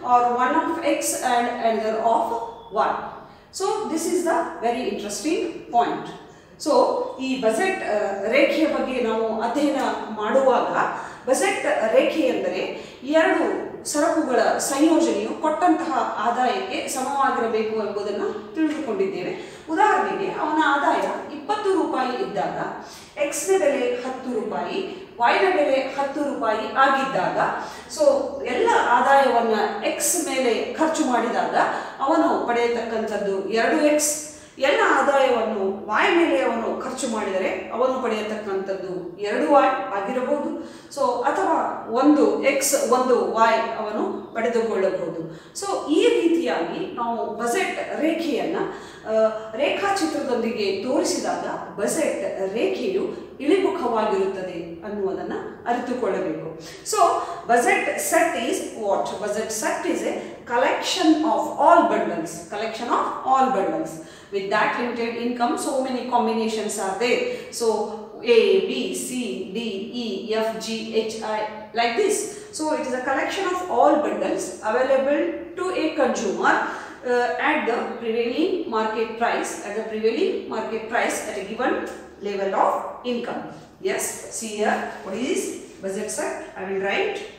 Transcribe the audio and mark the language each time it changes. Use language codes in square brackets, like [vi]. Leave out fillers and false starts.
[en] or 1 of x and elder of 1. So this is the very interesting point. [kn] So ee Bessette rekhe bagge namu adhyana maduvaga Bessette rekhe andre eradu ಸರಕುಗಳ ಸಂಯೋಜನೆಯು ಕೊಟ್ಟಂತಹ ಆದಾಯಕ್ಕೆ ಸಮವಾಗಿರಬೇಕು ಎಂಬುದನ್ನು ತಿಳಿದುಕೊಂಡಿದ್ದೇವೆ. ಉದಾಹರಣೆಗೆ ಅವನ ಆದಾಯ 20 ರೂಪಾಯಿ ಇದ್ದಾಗ ಎಕ್ಸ್ ನ ಬೆಲೆ 10 ರೂಪಾಯಿ ವೈ ನ ಬೆಲೆ 10 ರೂಪಾಯಿ ಆಗಿದ್ದಾಗ ಸೊ ಎಲ್ಲ ಆದಾಯವನ್ನು ಎಕ್ಸ್ ಮೇಲೆ ಖರ್ಚು ಮಾಡಿದಾಗ ಅವನು ಪಡೆಯತಕ್ಕಂಥದ್ದು 2x, ಎಲ್ಲ ಆದಾಯವನ್ನು ವಾಯ್ ಮೇಲೆ ಅವನು ಖರ್ಚು ಮಾಡಿದರೆ ಅವನು ಪಡೆಯತಕ್ಕಂಥದ್ದು 2y ಆಗಿರಬಹುದು. ಸೊ ಅಥವಾ 1x 1y ಅವನು ಪಡೆದುಕೊಳ್ಳಬಹುದು. ಸೊ ಈ ರೀತಿಯಾಗಿ ನಾವು ಬಜೆಟ್ ರೇಖೆಯನ್ನು ರೇಖಾಚಿತ್ರದೊಂದಿಗೆ ತೋರಿಸಿದಾಗ ಬಜೆಟ್ ರೇಖೆಯು ಇಳಿಮುಖವಾಗಿರುತ್ತದೆ ಅನ್ನುವುದನ್ನು ಅರಿತುಕೊಳ್ಳಬೇಕು. [en] So budget set is what? Budget set is a collection of all bundles, collection of all bundles with that limited income, so many combinations are there. So A, B, C, D, E, F, G, H, I, like this. So it is a collection of all bundles available to a consumer at the prevailing market price, at the prevailing market price at a given level of income. Yes, see here, what is this? Budget set, I will write.